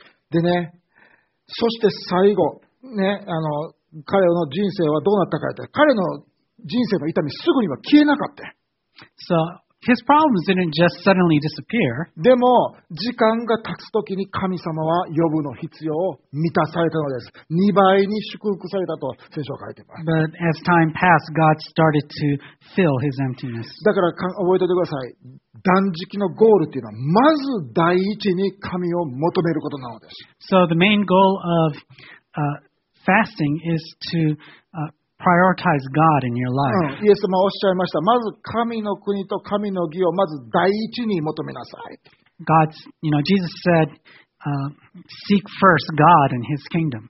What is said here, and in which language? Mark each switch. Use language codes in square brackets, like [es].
[ja] でね、そして最後、ね、彼の人生はどうなったかって、彼の人生の痛みすぐには消えなかった。 [en] So,His problems didn't just suddenly disappear. [ja] でも時間が経つときに神様はヨブの必要を満たされたのです。 2倍に祝福されたと聖書は書いています。 [en] But as time passed, God started to fill his emptiness. [ja] だから覚えておいてください。断食のゴールというのはまず第一に神を求めることなのです。 [en] So the main goal of fasting is to prioritize God in your life. [ja] イエス様はおっしゃいました。まず神の国と神の義をまず第一に求めなさい。 [en] God's, you know, Jesus said, seek first God and His kingdom.